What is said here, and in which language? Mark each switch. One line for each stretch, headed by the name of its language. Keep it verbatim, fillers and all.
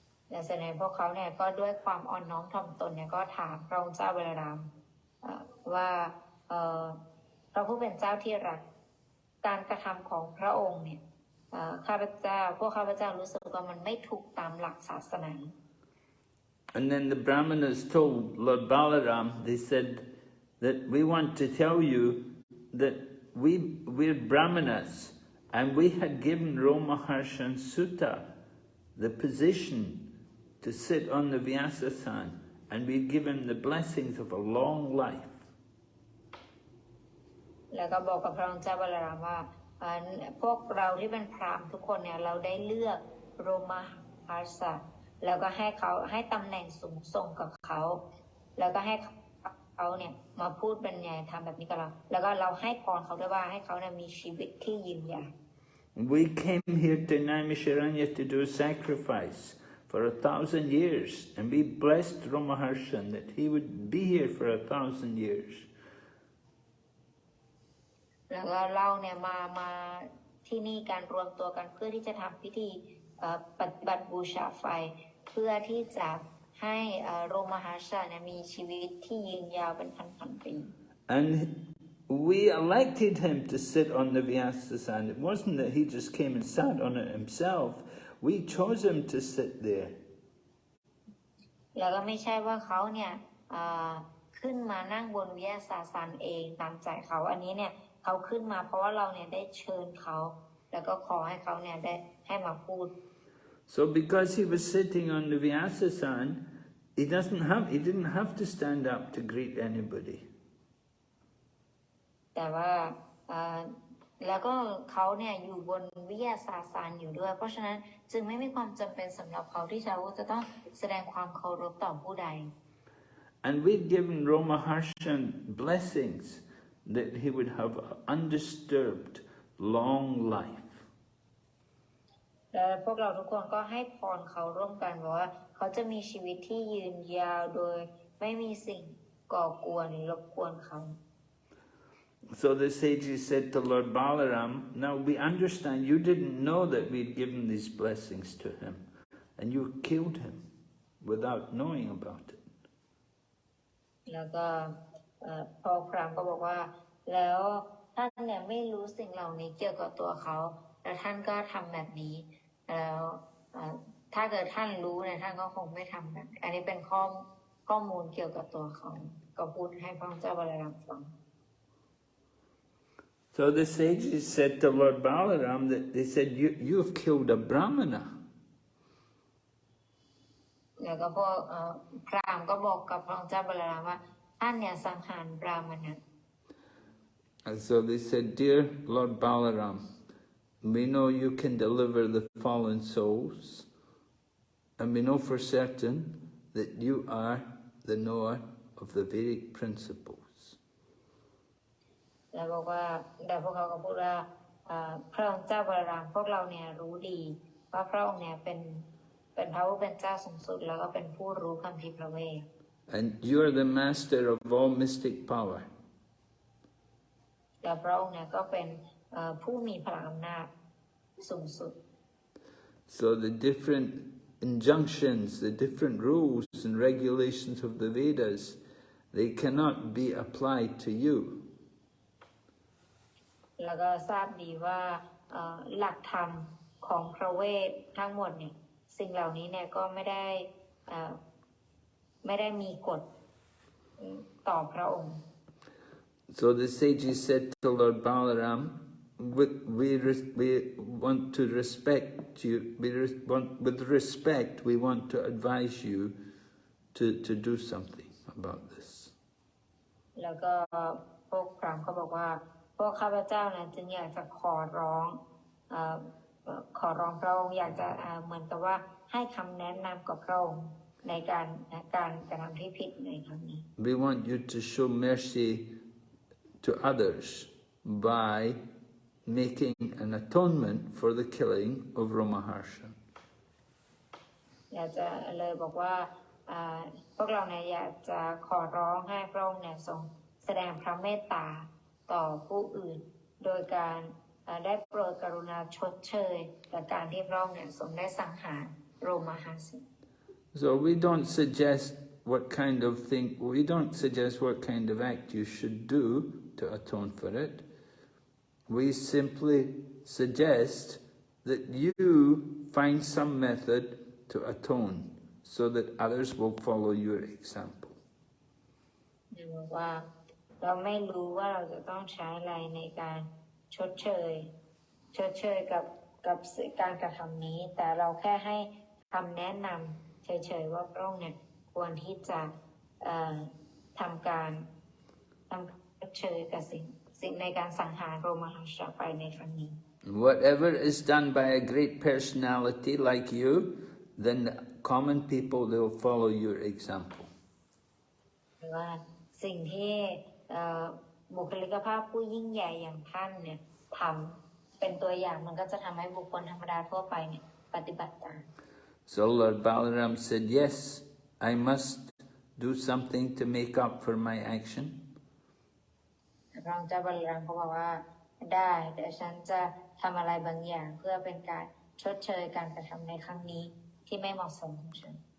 Thai: และฉะนั้นพวกเขาเนี่ยก็ด้วยความอ่อนน้อมถ่อมตนเนี่ยก็ถามพระองค์เจ้าบารารามเอ่อว่าเอ่อพระผู้เป็นเจ้าที่รัก การกระทำของพระองค์เนี่ยเอ่อข้าพเจ้าพวกข้าพเจ้ารู้สึกว่ามันไม่ถูกตามหลักศาสนา
English: And then the brahmanas told Lord Balaram, they said that we want to tell you that we, we're brahmanas and we had given Romaharshan Sutta the position to sit on the Vyasasana, and we give him the blessings of a long life.
Thai: แล้วก็บอกกับพระองค์เจ้าบาลารามว่าเอ่อพวกเราที่เป็นพราหมณ์ทุกคนเนี่ยเราได้เลือกโรมหาสะแล้วก็ให้เขาให้ตำแหน่งสูงส่งกับเขาแล้วก็ให้เขาเนี่ยมาพูดบรรยายธรรมแบบนี้กับเราแล้วก็เราให้พรเขาด้วยว่าให้เขาเนี่ยมีชีวิตที่ยืนยาว
English: We came here to Naimisharanya to do sacrifice for a thousand years, and we blessed Ramaharshan that he would be here for a thousand years.
Thai: แล้วก็เราเนี่ยมามาที่นี่การรวมตัวกันเพื่อที่จะทำพิธีเอ่อปฏิบัติบูชาไฟเพื่อที่จะให้เอ่อโรมหาสะเนี่ยมีชีวิตที่ยืนยาวเป็นพันๆปี
English: And we elected him to sit on the Vyasasana. It wasn't that he just came and sat on it himself. We chose him to sit there.
Thai: แล้วก็ไม่ใช่ว่าเขาเนี่ยเอ่อขึ้นมานั่งบนวิยาสาสานเองตามใจเขาอันนี้เนี่ยเขาขึ้นมาเพราะว่าเราเนี่ยได้เชิญเขาแล้วก็ขอให้เขาเนี่ยได้ให้มาพูด
English: So because he was sitting on the Vyasasana, he doesn't have he didn't have to stand up to greet anybody.
Thai: แต่ว่าเอ่อแล้วก็เขาเนี่ยอยู่บนวิยาสาสานอยู่ด้วยเพราะฉะนั้นจึงไม่มีความจำเป็นสำหรับเขาที่เขาจะต้องแสดงความเคารพต่อผู้ใด
English: And we'd given Ramaharshan blessings that he would have an undisturbed, long life.
Thai: และพวกเราทุกคนก็ให้พรเขาร่วมกันว่าเขาจะมีชีวิตที่ยืนยาวโดยไม่มีสิ่งก่อกวนหรือรบกวนเขา
English: So the sages said to Lord Balaram, now we understand you didn't know that we'd given these blessings to him, and you killed him without knowing about it.
Thai: แล้วก็เอ่อพอพราหมณ์ก็บอกว่าแล้วท่านเนี่ยไม่รู้สิ่งเหล่านี้เกี่ยวกับตัวเขาแล้วท่านก็ทำแบบนี้แล้วเอ่อถ้าเกิดท่านรู้เนี่ยท่านก็คงไม่ทำแบบอันนี้เป็นข้อข้อมูลเกี่ยวกับตัวเขาก็พูดให้พระองค์เจ้าบาลารามฟัง
English: So the sages said to Lord Balaram that they said, you, you have killed a Brahmana.
Thai: แล้วก็พวกเอ่อพราหมณ์ก็บอกกับพระองค์เจ้าบาลารามว่าท่านเนี่ยสังหารบราหมณะ
English: And so they said, dear Lord Balaram, we know you can deliver the fallen souls, and we know for certain that you are the knower of the Vedic principles.
Thai: แล้วบอกว่าแต่พวกเขาก็พูดว่าอ่าพระองค์เจ้าบาลารามพวกเราเนี่ยรู้ดีว่าพระองค์เนี่ยเป็นเป็นพระผู้เป็นเจ้าสูงสุดแล้วก็เป็นผู้รู้คัมภีร์พระเวท
English: And you are the master of all mystic power.
Thai: แล้วพระองค์เนี่ยก็เป็นเอ่อผู้มีพลังอำนาจสูงสุด
English: So the different injunctions, the different rules and regulations of the Vedas, they cannot be applied to you.
Thai: แล้วก็ทราบดีว่าเอ่อหลักธรรมของพระเวททั้งหมดเนี่ยสิ่งเหล่านี้เนี่ยก็ไม่ได้เอ่อไม่ได้มีกฎต่อพระองค์
English: So the sages said to Lord Balaram, we, we, res- we want to respect you, we res- want, with respect we want to advise you to, to do something about this.
Thai: แล้วก็พวกพราหมณ์ก็บอกว่าพวกข้าพเจ้าเนี่ยจึงอยากจะขอร้องเอ่อเอ่อขอร้องพระองค์อยากจะเอ่อเหมือนกับว่าให้คำแนะนำกับพระองค์ในการการกระทำที่ผิดในครั้งนี้
English: We want you to show mercy to others by making an atonement for the killing of Ramaharsha.
Thai: อยากจะเลยบอกว่าเอ่อพวกเราเนี่ยอยากจะขอร้องให้พระองค์เนี่ยทรงแสดงพระเมตตาต่อผู้อื่น โดยการเอ่อได้โปรดกรุณาชดเชยกับการที่พระองค์เนี่ยทรงได้สังหารโรมหาสิ
English: So we don't suggest what kind of thing, we don't suggest what kind of act you should do to atone for it. We simply suggest that you find some method to atone so that others will follow your example.
Thai: หรือว่าเราไม่รู้ว่าเราจะต้องใช้อะไรในการชดเชยชดเชยกับกับสิ่งการกระทำนี้แต่เราแค่ให้ คำแนะนำเฉยๆว่าพระองค์เนี่ยควรที่จะเอ่อทำการทำเฉยกับสิ่งสิ่งในการสังหารโรมหาชาไปในครั้งนี้
English: Whatever is done by a great personality like you, then the common people, they will follow your example.
Thai: ว่าสิ่งที่เอ่อบุคลิกภาพผู้ยิ่งใหญ่อย่างท่านเนี่ยทำเป็นตัวอย่างมันก็จะทำให้บุคคลธรรมดาทั่วไปเนี่ยปฏิบัติตาม
English: So Lord Balaram said, yes, I must do something to make up for my action.
Thai: รองเจ้าบาลรังก็บอกว่าได้แต่ฉันจะทำอะไรบางอย่างเพื่อเป็นการชดเชยการกระทำในครั้งนี้ที่ไม่เหมาะสมของฉัน